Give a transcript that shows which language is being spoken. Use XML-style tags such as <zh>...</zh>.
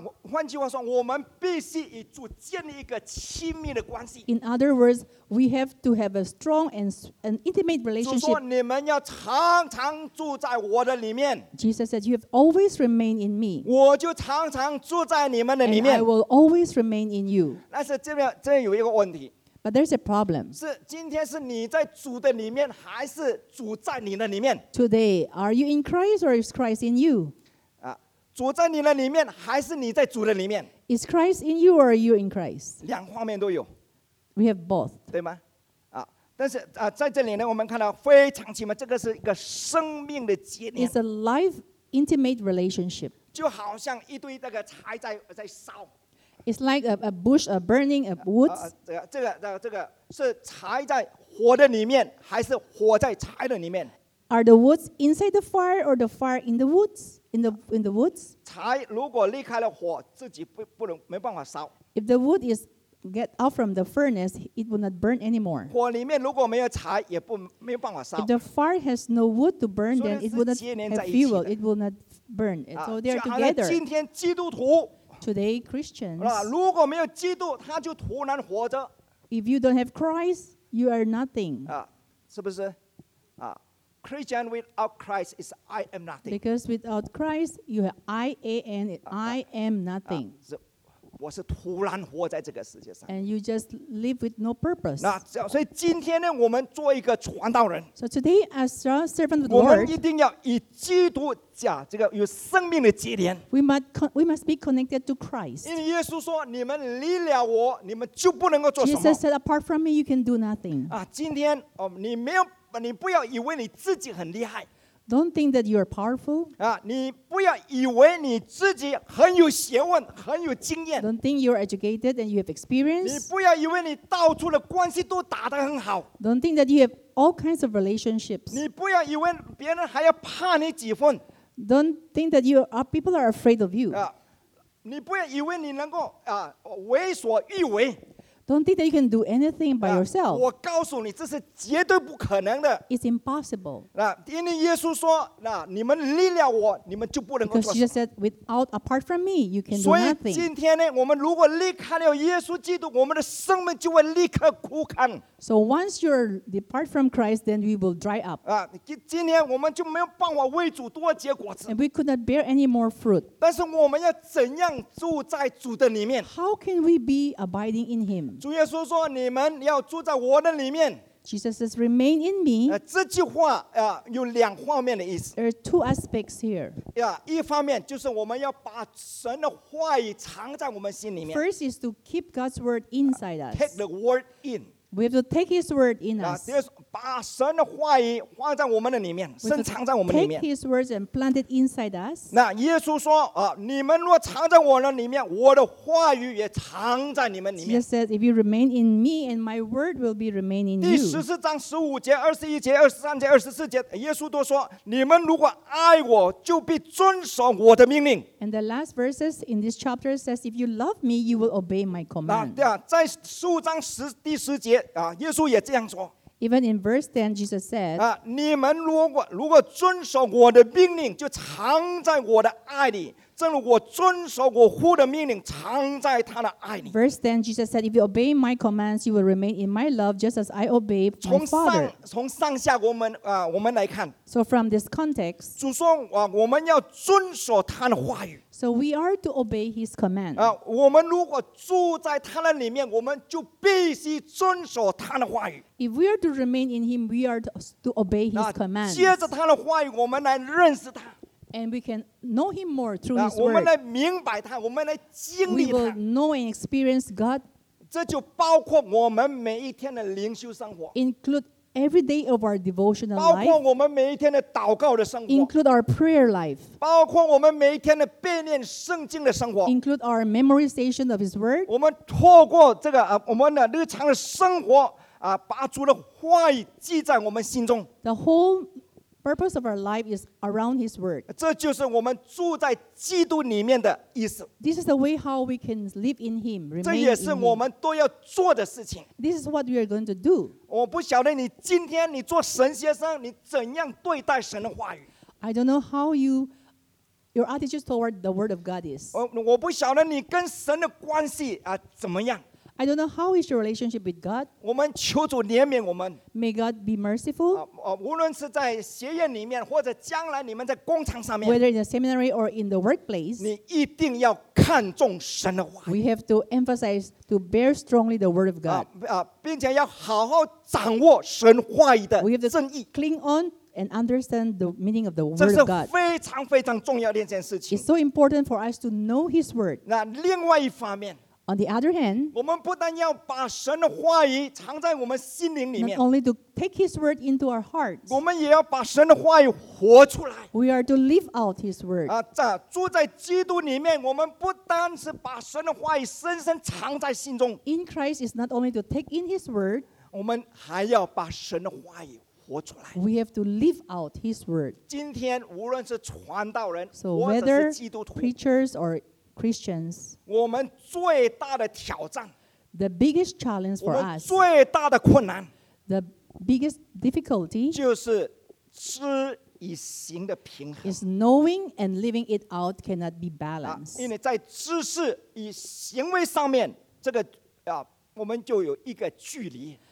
<zh>换句话说，我们必须与主建立一个亲密的关系。</zh> <en>In other words, we have to have a strong and an intimate relationship.</en> <zh>主说你们要常常住在我的里面。</zh> <en>Jesus said, "You have always remained in me."</en> <zh>我就常常住在你们的里面。</zh> <en>And I will always remain in you.</en> <zh>但是这边有一个问题。</zh> <en>But there's a problem.</en> <zh>是今天是你在主的里面，还是主在你的里面</zh> <en>？Today, are you in Christ or is Christ in you?</en> <zh>主在你的里面，还是你在主的里面</zh> <en>？Is Christ in you or are you in Christ?</en> <zh>两方面都有。</zh> <en>We have both.</en> <zh>对吗？但是在这里呢，我们看到非常奇妙，这个是一个生命的结连。</zh> <en>It's a life intimate relationship.</en> <zh>就好像一堆那个柴在烧。</zh> <en>It's like a bush, a burning of woods.</en> <zh>这个是柴在火的里面，还是火在柴的里面</zh> <en>？Are the woods inside the fire or the fire in the woods? In the woods?</en> <zh>柴如果离开了火，自己不能没办法烧。</zh> <en>If the wood is get out from the furnace, it will not burn anymore.</en> <zh>火里面如果没有柴，也不没办法烧。</zh> <en>If the fire has no wood to burn, then it will not have fuel. It will not burn. So they are together.</en> <zh>今天基督徒。</zh> <en>Today, Christians.</en> <zh>如果没有基督，他就徒然活着。</zh> <en>If you don't have Christ, you are nothing.</en> <zh>是不是？</zh> <en>Christian without Christ is I am nothing. Because without Christ, you are I am nothing.</en> <zh>我是突然活在这个世界上。</zh> <en>And you just live with no purpose.</en> <zh>那所以今天呢，我们做一个传道人。</zh> <en>So today, as a servant of the</en> <zh>Lord, 我们一定要与基督家这个有生命的结连。</zh> <en>We must be connected to Christ.</en> <zh>因为耶稣说，你们离了我，你们就不能够做什么。</zh> <en>Jesus said, apart from me, you can do nothing.</en> <zh>啊，今天哦，你没有，你不要以为你自己很厉害。</zh> <en>Don't think that you are powerful.</en> <zh>啊，你不要以为你自己很有学问，很有经验。</zh> <en>Don't think you are educated and you have experience.</en> <zh>你不要以为你到处的关系都打得很好。</zh> <en>Don't think that you have all kinds of relationships.</en> <zh>你不要以为别人还要怕你几分。</zh> <en>Don't think that people are afraid of you.</en> <zh>啊，你不要以为你能够啊为所欲为。</zh> <en>Don't think that you can do anything by yourself.</en> <zh>我告诉你，这是绝对不可能的。</zh> <en>It's impossible.</en> <zh>那因为耶稣说，那你们离了我，你们就不能够做什么。</zh> <en>Because Jesus said, "Without apart from me, you can do nothing."</en> <zh>所以今天呢，我们如果离开了耶稣基督，我们的生命就会立刻枯干。</zh> <en>So once you depart from Christ, then we will dry up.</en> <zh>啊，今天我们就没有办法为主多结果子。</zh> <en>And we could not bear any more fruit.</en> <zh>但是我们要怎样住在主的里面</zh> <en>？How can we be abiding in Him?</en> <zh>主耶稣说：“你们要住在我的里面。”</zh> <en>Jesus says, "Remain in me."</en> <zh>这句话有两方面的意思。</zh> <en>There are two aspects here.</en> <zh>一方面就是我们要把神的话语藏在我们心里面。</zh> <en>First is to keep God's word inside us. Take the word in. We have to take His word in us.</en> <zh>把神的话语放在我们的里面，深藏在我们里面。</zh> <en>Take His words and plant it inside us.</en> <zh>那耶稣说啊，你们若藏在我的里面，我的话语也藏在你们里面。</zh> <en>Jesus says, "If you remain in me, and my word will be remain in you."</en> <zh>第十四章十五节、二十一节、二十三节、二十四节，耶稣都说，你们如果爱我，就必遵守我的命令。</zh> <en>And the last verses in this chapter says, "If you love me, you will obey my command."</en> <zh>那在十五章第十节啊，耶稣也这样说。</zh> <en>Even in verse 10, Jesus said,</en> <zh>你们如果遵守我的命令，就藏在我的爱里，正如我遵守我父的命令，藏在他的爱里。</zh> <en>Verse 10, Jesus said, if you obey my commands, you will remain in my love, just as I obey my Father.</en> <zh>从上下我们来看。</zh> <en>So from this context,</en> <zh>主说我们要遵守他的话语。</zh> <en>So we are to obey his command.</en> <zh>我们如果住在他的里面，我们就必须遵守他的话语。</zh> <en>If we are to remain in him, we are to obey his command.</en> <zh>接着他的话语，我们来认识他。</zh> <en>And we can know him more through his word.</en> <zh>我们来明白他，我们来经历他。</zh> <en>We will know and experience God.</en> <zh>这就包括我们每一天的灵修生活。</zh> <en>Include every day of our devotional life.</en> <zh>包括我们每一天的祷告的生活。</zh> <en>Include our prayer life.</en> <zh>包括我们每一天的背念圣经的生活。</zh> <en>Include our memorization of his word.</en> <zh>我们透过这个我们的日常的生活把主的话语记在我们心中。</zh> <en>The whole purpose of our life is around His word.</en> <zh>这就是我们住在基督里面的意思。</zh> <en>This is the way how we can live in Him, remain in Him.</en> <zh>这也是我们都要做的事情。</zh> <en>This is what we are going to do.</en> <zh>我不晓得你今天你做神学生，你怎样对待神的话语。</zh> <en>I don't know how your attitude toward the word of God is.</en> <zh>我不晓得你跟神的关系怎么样。</zh> <en>I don't know how is your relationship with God.</en> <zh>我们求主怜悯我们。</zh> <en>May God be merciful.</en> <zh>无论是在学院里面，或者将来你们在工厂上面。</zh> <en>Whether in the seminary or in the workplace.</en> <zh>你一定要看重神的话。</zh> <en>We have to emphasize to bear strongly the word of God.</en> <zh>并且要好好掌握神话语的真意。</zh> <en>We have to cling on and understand the meaning of the word of God.</en> <zh>这是非常非常重要的一件事情。</zh> <en>It's so important for us to know His word.</en> <zh>那另外一方面。</zh> <en>On the other hand,</en> <zh>我们不但要把神的话语藏在我们心灵里面</zh> <en>not only to take His word into our hearts,</en> <zh>我们也要把神的话语活出来</zh> <en>we are to live out His word.</en> <zh>住在基督里面，我们不但是把神的话语深深藏在心中</zh> <en>in Christ is not only to take in His word,</en> <zh>我们还要把神的话语活出来</zh> <en>we have to live out His word.</en> <zh>今天无论是传道人</zh> <en>so whether preachers or Christians,</en> <zh>我们最大的挑战</zh> <en>the biggest challenge for us,</en> <zh>最大的困难</zh> <en>the biggest difficulty,</en> <zh>就是知与行的平衡</zh> <en>is knowing and living it out cannot be balanced.</en> <zh>因为在知识与行为上面，这个我们就有一个距离</zh>